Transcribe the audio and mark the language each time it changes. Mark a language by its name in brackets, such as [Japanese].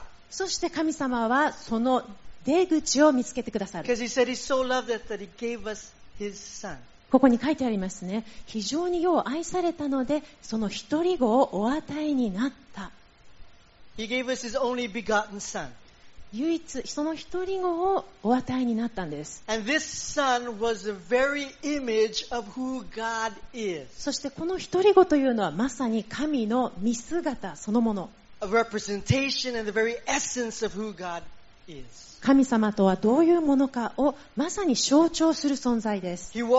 [Japanese] そして神様はその出口を見つけてくださる。 [English] Because he said he's so loved us that he gave us his son. [Japanese] ここに書いてありますね。非常によう愛されたので、その一人子をお与えになった。 [English] He gave us his only begotten son. [Japanese] 唯一、その一人子をお与えになったんです。 [English] And this son was the very image of who God is. [Japanese] そしてこの一人子というのはまさに神の見姿そのもの。 [English] A representation and the very essence of who God is. [Japanese] 神様とはどういうものかをまさに象徴する存在です。